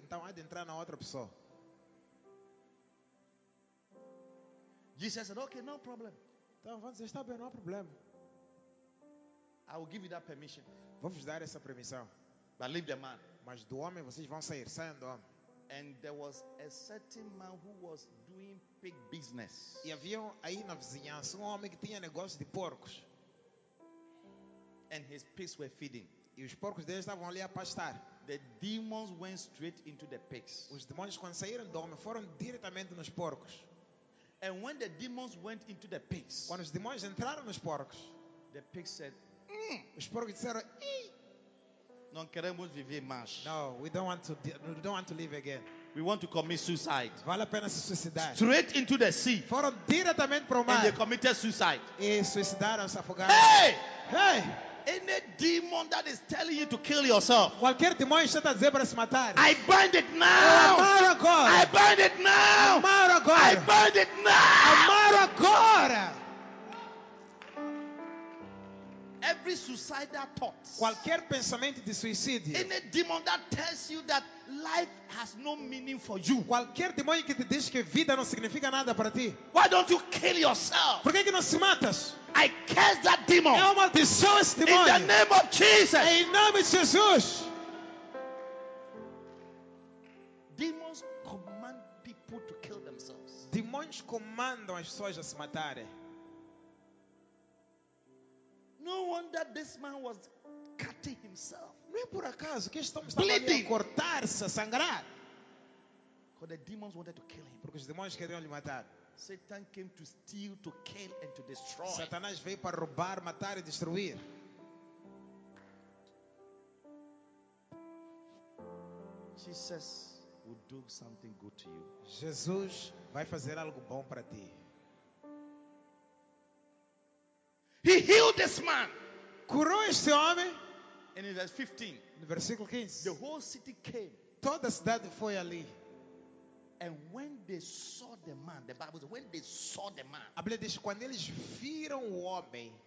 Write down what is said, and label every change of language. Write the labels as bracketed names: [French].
[Portuguese] Então há de entrar na outra pessoa. [English] Jesus said, okay, no problem. [Portuguese] Então vamos dizer, está bem, não há problema. [English] I will give you that permission. [Portuguese] Vou-vos dar essa permissão. [English] But leave the man. [Portuguese] Mas do homem vocês vão sair, saiam do homem. [English] And there was a certain man who was doing pig business. [Portuguese] E havia aí na vizinhança um homem que tinha negócio de porcos. [English] And his pigs were feeding. [Portuguese] E os porcos dele estavam ali a pastar. [English] The demons went straight into the pigs. [Portuguese] Os demônios quando saíram do homem foram diretamente nos porcos. [English] And when the demons went into the pigs, [Portuguese] quando os demônios entraram nos porcos, [English] the pigs said, os porcos disseram, [Portuguese] não queremos viver mais. [English] No, we don't want to live again. We want to commit suicide. [Portuguese] Vale a pena se suicidar. [English] Straight into the sea. [Portuguese] Foram diretamente para o mar. [English] And they committed suicide. [Portuguese] E suicidaram, se afogaram. Hey! Hey! [English] Any demon that is telling you to kill yourself. [Portuguese] Qualquer demônio está a dizer para se matar. [English] I bind it now. [Portuguese] Amar agora. [English] I bind it now. [Portuguese] Amar agora. [English] I bind it now. [Portuguese] Amar agora. [English] Every suicidal thought. [Portuguese] Qualquer pensamento de suicídio. [English] Any demon that tells you that life has no meaning for you. [Portuguese] Qualquer demônio que te diz que vida não significa nada para ti. [English] Why don't you kill yourself? [Portuguese] Por que não se matas? [English] I curse that demon. [Portuguese] Eu maldiço esse demônio. [English] In the name of Jesus. [Portuguese] Em nome de Jesus. [English] Demons command people to kill themselves. [Portuguese] Demônios comandam as pessoas a se matarem. [English] No wonder this man was cutting himself. [Portuguese] Não é por acaso que este homem estava a cortar-se, a sangrar. [English] The demons wanted to kill him. [Portuguese] Porque os demônios queriam lhe matar. [English] Satan came to steal, to kill, and to destroy. [Portuguese] Satanás veio para roubar, matar e destruir. [English] Jesus will do something good to you. [Portuguese] Jesus vai fazer algo bom para ti. [English] He healed this man. [Portuguese] Curou este homem. [English] And in verse 15, [Portuguese] no versículo 15, [English] the whole city came. [Portuguese] Toda a cidade foi ali. [English] And when they saw the man, the Bible says, when they saw the man, [Portuguese] a Bíblia diz, quando eles viram o homem,